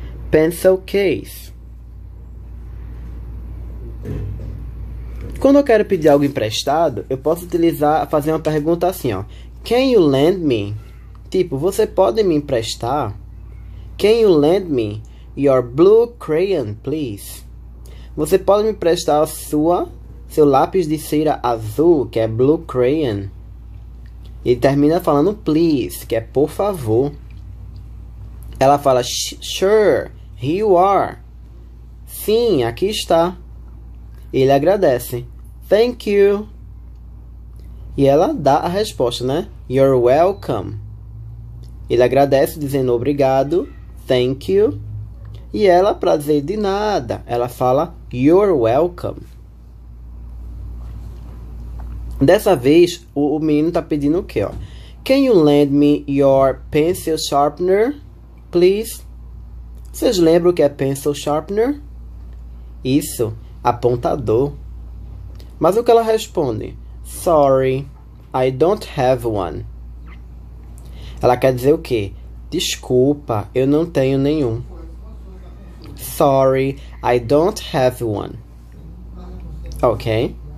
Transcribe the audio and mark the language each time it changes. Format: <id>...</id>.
<en>Pencil case.</en> <pt>Quando eu quero pedir algo emprestado, eu posso utilizar, fazer uma pergunta assim, ó.</pt> <en>Can you lend me?</en> <pt>Tipo, você pode me emprestar?</pt> <en>Can you lend me your blue crayon, please?</en> <pt>Você pode me emprestar seu lápis de cera azul, que é</pt> <en>blue crayon?</en> <pt>E termina falando please, que é por favor. Ela fala,</pt> <en>sure, here you are.</en> <pt>Sim, aqui está. Ele agradece.</pt> <en>Thank you.</en> <pt>E ela dá a resposta, né?</pt> <en>You're welcome.</en> <pt>Ele agradece dizendo obrigado.</pt> <en>Thank you.</en> <pt>E ela, pra dizer de nada, ela fala</pt> <en>You're welcome.</en> <pt>Dessa vez, o menino tá pedindo o quê, ó?</pt> <en>Can you lend me your pencil sharpener, please?</en> <pt>Vocês lembram o que é pencil sharpener? Isso, apontador. Mas o que ela responde?</pt> <en>Sorry, I don't have one.</en> <pt>Ela quer dizer o quê? Desculpa, eu não tenho nenhum.</pt> <en>Sorry, I don't have one.</en> <pt>Ok?</pt>